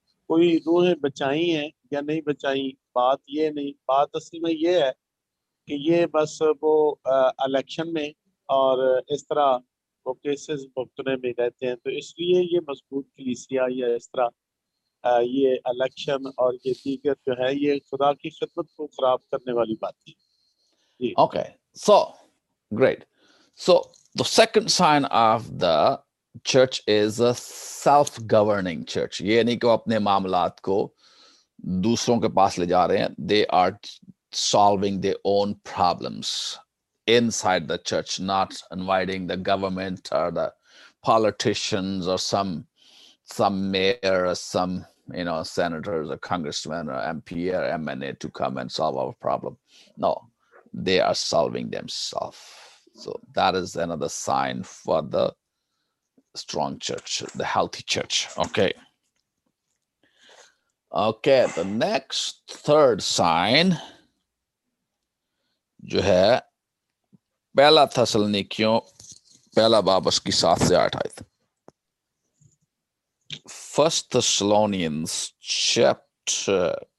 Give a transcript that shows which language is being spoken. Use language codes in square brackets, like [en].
[ur] کوئی روحیں بچائی ہیں یا نہیں بچائی، بات یہ نہیں، بات اصل میں یہ ہے کہ یہ بس وہ الیکشن میں اور اس طرح وہ کیسز بھگتنے میں رہتے ہیں، تو اس لیے یہ مضبوط کلیسیا یا اس طرح یہ الیکشن اور یہ دیگر جو ہے یہ خدا کی خدمت کو خراب کرنے والی بات ہے۔ [en] okay, so great, so the second sign of the church is a self governing church, [ur] یہ نہیں کہ وہ اپنے معاملات کو دوسروں کے پاس لے جا رہے ہیں، [en] They are solving their own problems inside the church, not inviting the government or the politicians or some mayor or some, you know, senators or congressmen or MP or MNA to come and solve our problem. No, they are solving themselves. So that is another sign for the strong church, the healthy church. Okay, the next third sign [ur] جو ہے، پہلا تھسلنیکیوں پہلا باب اس کی 7-8 آیت، [en] first Thessalonians chapter